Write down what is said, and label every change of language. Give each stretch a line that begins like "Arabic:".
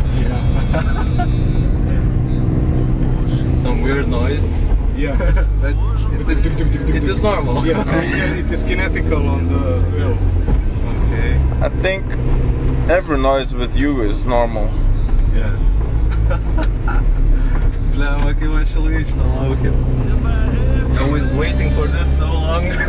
English: Yeah. Some weird noise. Yeah. it is normal. Yes, it is kinetical on the wheel. Okay. I think every noise with you is normal. Yes.
Lithuanian: Bliamba, kaip aš ilgai šitą laukiu.
English: I was waiting for this so long.